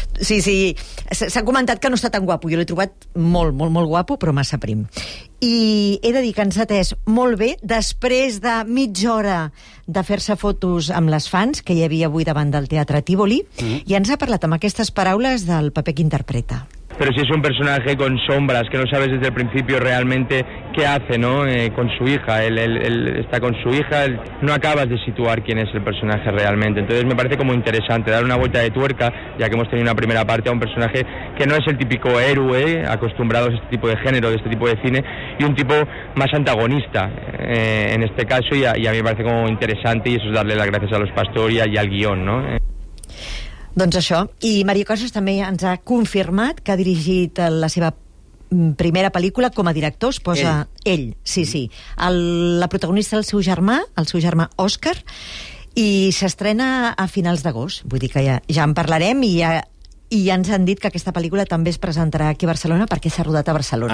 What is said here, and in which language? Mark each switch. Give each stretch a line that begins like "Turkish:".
Catalan: Sí, sí, s'ha comentat que no està tan guapo. Jo l'he trobat molt, molt, molt guapo, però massa prim. I he de dir que ens ha atès molt bé després de mitja hora de fer-se fotos amb les fans que hi havia avui davant del Teatre Tívoli, i ens ha parlat amb aquestes paraules del paper que interpreta.
Spanish: Pero si es un personaje con sombras, que no sabes desde el principio realmente qué hace, ¿no? Con su hija, él está con su hija, él, no acabas de situar quién es el personaje realmente. Entonces me parece como interesante dar una vuelta de tuerca, ya que hemos tenido una primera parte a un personaje que no es el típico héroe, acostumbrados a este tipo de género, de este tipo de cine, y un tipo más antagonista en este caso, y a mí me parece como interesante, y eso es darle las gracias a los Pastor y al guión, ¿no?
Catalan: Doncs això. I Mario Casas també ens ha confirmat que ha dirigit la seva primera pel·lícula com a director. Es posa ell. Sí, sí. La protagonista és el seu germà Òscar, i s'estrena a finals d'agost. Vull dir que ja en parlarem, i ja ens han dit que aquesta pel·lícula també es presentarà aquí a Barcelona perquè s'ha rodat a Barcelona.